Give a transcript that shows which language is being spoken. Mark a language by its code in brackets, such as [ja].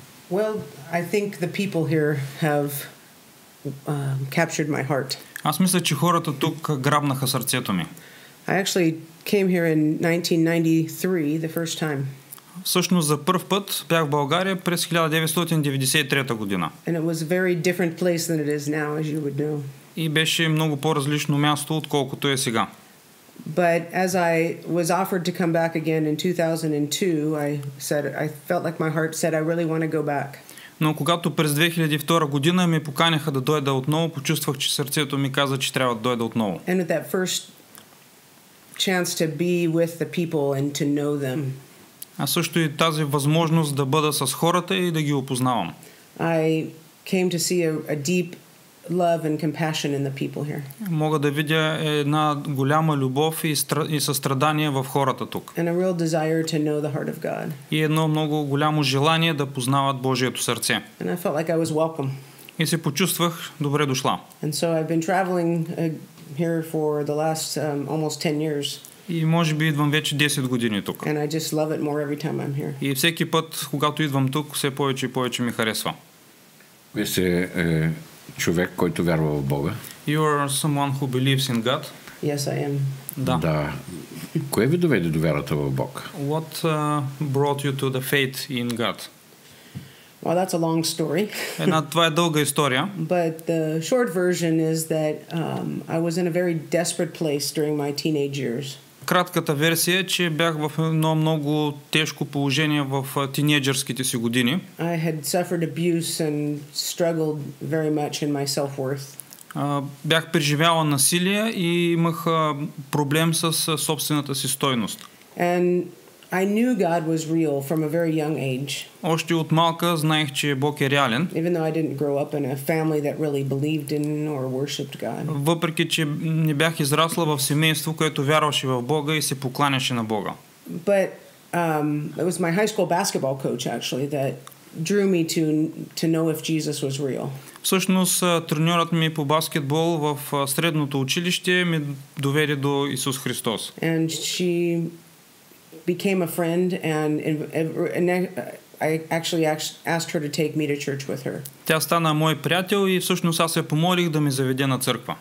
[en] Well, I think the people here have captured my heart. [bg] Аз мисля, че хората тук грабнаха сърцето ми. [en] I actually came here in 1993 the first time. [bg] Всъщност за първ път бях в България през 1993 година. [en] And it was a very different place than it is now, as you would know. [bg] И беше много по-различно място, отколкото е сега. [en] But as I was offered to come back again in 2002, I felt like my heart said I really want to go back. [bg] Но когато през 2002 година ме поканяха да дойда отново, почувствах, че сърцето ми каза, че трябва да дойда отново. [en] And at that first chance to be with the people and to know them. [bg] А също и тази възможност да бъда с хората и да ги опознавам. [en] I came to see a deep love and compassion in the people here. [bg] Мога да видя една голяма любов и състрадание в хората тук. [en] And a real desire to know the heart of God. [bg] И едно много голямо желание да познават Божието сърце. [en] And I felt like I was welcome. [bg] И се почувствах добре дошла. [en] And so I've been traveling here for the last almost 10 years. [bg] И може би идвам вече 10 години тук. [en] And I just love it more every time I'm here. [bg] И всеки път, когато идвам тук, все повече и повече ми харесва. Вие сте човек, който вярва в Бога. [en] You are someone who believes in God. Yes, I am. [bg] Да. Да. Кое ви доведе до вярата в Бог? [en] What brought you to the faith in God? Well, that's a long story. [bg] Една, това е дълга история. [en] But the short version is that I was in a very desperate place during my teenage years. [bg] Кратката версия е, че бях в едно много тежко положение в тинейджърските си години. [en] I had suffered abuse and struggled very much in my self-worth. [bg] Бях преживяла насилие и имах проблем с собствената си стойност. [en] And I knew God was real from a very young age. [bg] Още от малка знаех, че Бог е реален. [en] Even though I didn't grow up in a family that really believed in or worshipped God. [bg] Въпреки че не бях израсла в семейство, което вярваше в Бога и се покланяше на Бога. [en] But it was my high school basketball coach actually that drew me to know if Jesus was real. [bg] Всъщност треньорът ми по баскетбол в средното училище ме доведе до Исус Христос. [en] And she became a friend and I actually asked her to take me to church with her. [bg] Тя стана мой приятел и всъщност аз я помолих да ме заведе на църква.